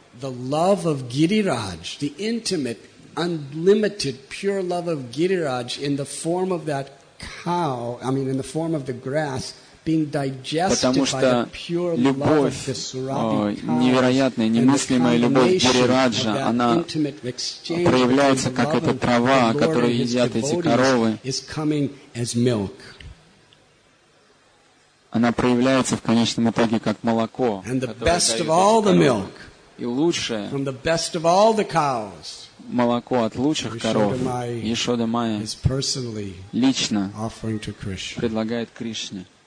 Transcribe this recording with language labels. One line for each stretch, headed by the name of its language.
English: the love of Giriraj, the intimate, unlimited pure love of Giriraj in the form of that cow, I mean in the form of the grass being digested by the pure love of the Surabhi cow, and the combination of that intimate exchange of the Lord and his devotees is coming as milk.
Russian: Она проявляется в конечном итоге как молоко.
English: And the best of all the milk from the best of all the cows,
Russian: молоко от лучших коров, Яшода Майя лично предлагает Кришне.